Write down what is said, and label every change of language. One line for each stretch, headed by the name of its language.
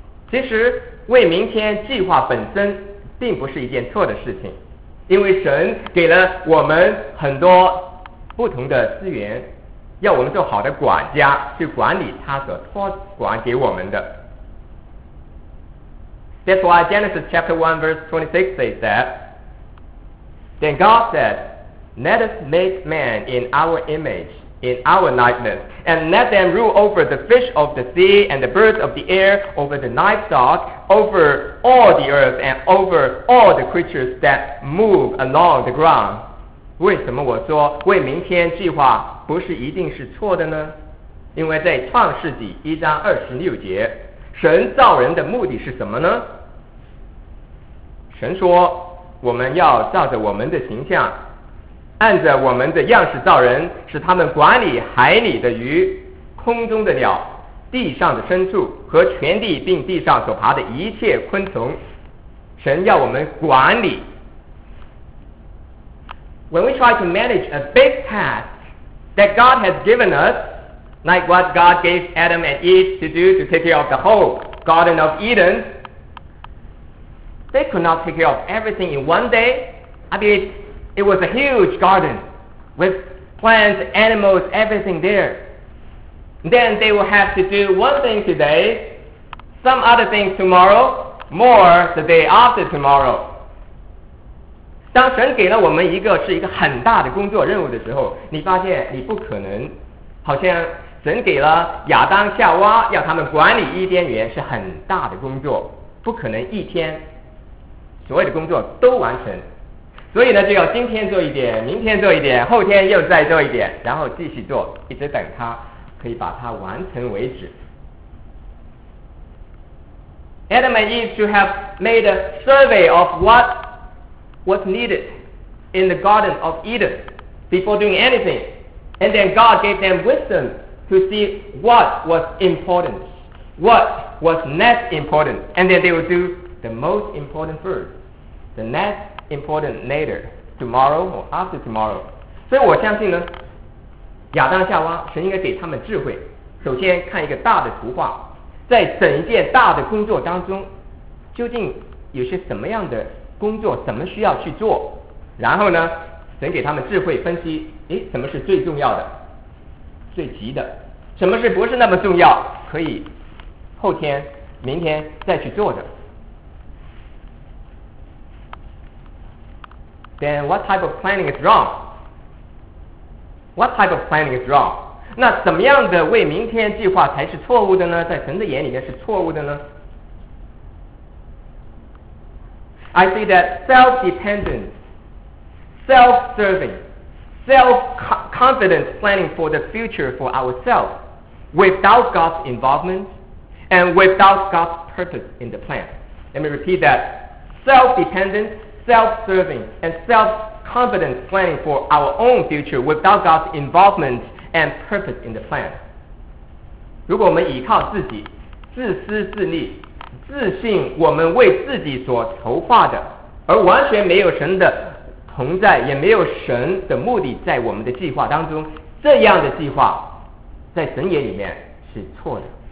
Chinese: 其实为明天计划本身并不是一件错的事情，因为神给了我们很多不同的资源，要我们做好的管家，去管理他所托管给我们的。
English: That's why Genesis chapter 1 verse 26 says that Then God said, Let us make man in our image, in our nightness, and let them rule over the fish of the sea and the birds of the air, over the livestock, over all the earth, and over all the creatures that move along the ground.
Chinese: 为什么我说为明天计划不是一定是错的呢？因为在创世纪一章二十六节，神造人的目的是什么呢？神说，我们要照着我们的形象，按着我们的样式造人，使他们管理海里的鱼、空中的鸟、地上的牲畜和全地并地上所爬的一切昆虫。神要我们管理。
English: When we try to manage a big task that God has given us, like what God gave Adam and Eve to do to take care of the whole Garden of Eden, they could not take care of everything in one day. I mean, it was a huge garden with plants, animals, everything there. Then they will have to do one thing today, some other things tomorrow, more the day after tomorrow.
Chinese: 当神给了我们一个是一个很大的工作任务的时候，你发现你不可能，好像神给了亚当夏娃要他们管理伊甸园是很大的工作，不可能一天所有的工作都完成，所以呢就要今天做一点，明天做一点，后天又再做一点，然后继续做，一直等他可以把它完成为止。
English: Adam and Eve should have made a survey of what's needed in the Garden of Eden before doing anything. And then God gave them wisdom to see what was important, what was less important, and then they will do the most important first, the less important later, tomorrow or after tomorrow.
Chinese: 所以我相信呢，亚当夏娃，神应该给他们智慧，首先看一个大的图画，在整一件大的工作当中，究竟有些什么样的工作怎么需要去做，然后呢神给他们智慧分析，诶，什么是最重要的，最急的，什么是不是那么重要，可以后天明天再去做的。
English: Then what type of planning is wrong? What type of planning is wrong?
Chinese: 那怎么样的为明天计划才是错误的呢？在神的眼里面是错误的呢？
English: I see that self-dependent, self-serving, self-confident planning for the future for ourselves without God's involvement and without God's purpose in the plan. Let me repeat that. Self-dependent, self-serving, and self-confident planning for our own future without God's involvement and purpose in the plan.
Chinese: 如果我们依靠自己，自私自利，自信我们为自己所筹划的，而完全没有神的同在，也没有神的目的在我们的计划当中，这样的计划在神眼里面是错的。